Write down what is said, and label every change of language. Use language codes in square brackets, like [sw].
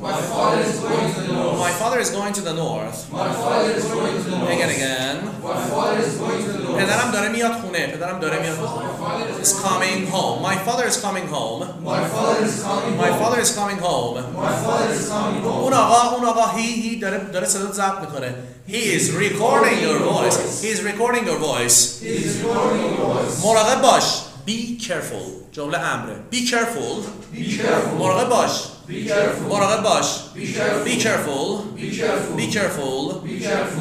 [en] My father is going to the north. My father is going to the north. My father is going to the north. Again. My father is going to the north. [fa] پدرم داره میاد خونه. [en] Is coming home. My father is coming home. My father is coming home. My father is coming home. My father is coming home. [fa] اون آقا he داره صدا ضبط میکنه. [en] He is recording your voice. He is recording your voice. He is recording your voice. [fa] مراقب باش. [en] Be careful. [fa] جمله امره. Be careful. [en] Be careful. [fa] مراقب باش. [en] Be careful. [fa] مراقب باش. [en] Be careful. Be careful. Be careful. Be careful. Be careful.